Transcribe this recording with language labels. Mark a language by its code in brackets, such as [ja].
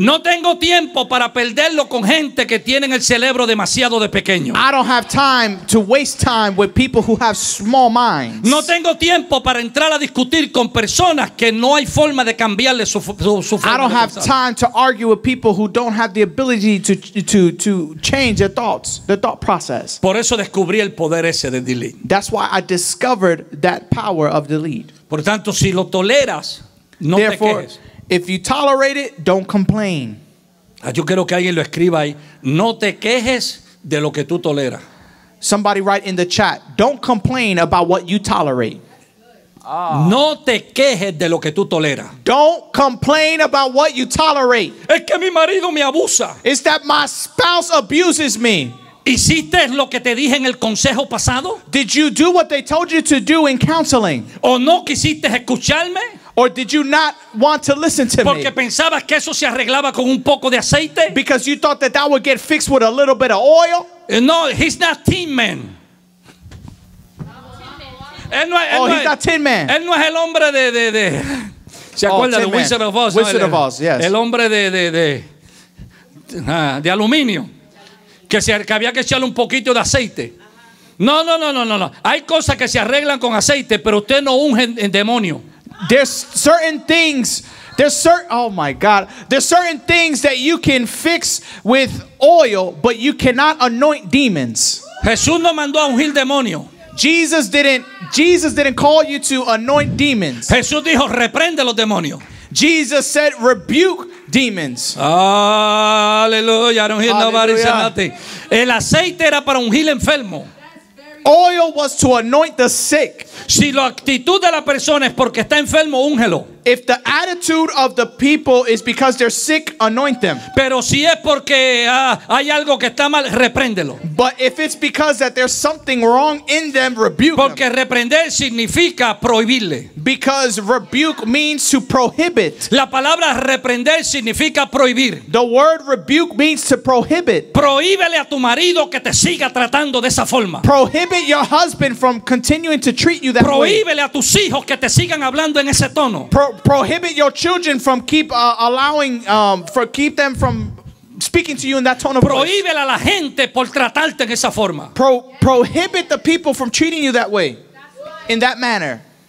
[es] No tengo tiempo para perderlo con gente que tienen el cerebro demasiado de pequeño. [en] I don't have time to waste time with people who have small minds. [es] No tengo tiempo para entrar a discutir con personas que no hay forma de cambiarle su forma. [en] I don't have time to argue with people who don't have the ability to change their thoughts, their thought process. [es] Por eso descubrí el poder ese de delete. [en] That's why I discovered that power of delete. [es] Por tanto, si lo toleras, no [en] Therefore, [es] te quejes. [en] If you tolerate it, don't complain. [es] Yo quiero que alguien lo escriba ahí. No te quejes de lo que tú toleras. [en] Somebody write in the chat, don't complain about what you tolerate. [es] No te quejes de lo que tú toleras. [en] Don't complain about what you tolerate. [es] Es que mi marido me abusa. [en] It's that my spouse abuses me. [es] ¿Hiciste lo que te dije en el consejo pasado? [en] Did you do what they told you to do in counseling? [es] ¿O no quisiste escucharme? [en] Or did you not want to listen to [es] Porque [en] me? [es] Porque pensabas que eso se arreglaba con un poco de aceite? [en] Because you thought that would get fixed with a little bit of oil? No, he's not tin man. He's not tin man. [es] Él no es el hombre de ¿Se acuerda de Wizard of Oz? [en] Wizard of Oz, yes. [es] El hombre de aluminio. Que había que echarle un poquito de aceite. No. Hay cosas que se arreglan con aceite, pero usted no unge en demonio. [en] There's certain things that you can fix with oil, but you cannot anoint demons. [es] Jesús no mandó a ungir demonio. [en] Jesus didn't call you to anoint demons. [es] Jesús dijo, reprende los demonios. [en] Jesus said, rebuke demons. Hallelujah. I don't hear nobody say nothing. [es] El aceite era para ungir enfermo. [en] Oil was to anoint the sick. [es] Si la actitud de la persona es porque está enfermo, úngelo. [en] If the attitude of the people is because they're sick, anoint them. [es] Pero si es porque hay algo que está mal, repréndelo. [en] But if it's because that there's something wrong in them, rebuke [es] porque [en] them. [es] Reprender significa prohibirle. [en] Because rebuke means to prohibit. [es] La palabra reprender significa prohibir. [en] The word rebuke means to prohibit. [es] Prohíbele a tu marido que te siga tratando de esa forma. [en] Prohibit your husband from continuing to treat you that [es] prohíbele [en] way. [es] Prohíbele a tus hijos que te sigan hablando en ese tono. [en] Prohibit your children from keep them from speaking to you in that tone of [es] Prohíbele [en] voice. [es] A la gente por tratarte en esa forma. [en] Prohibit the people from treating you that way, in that manner.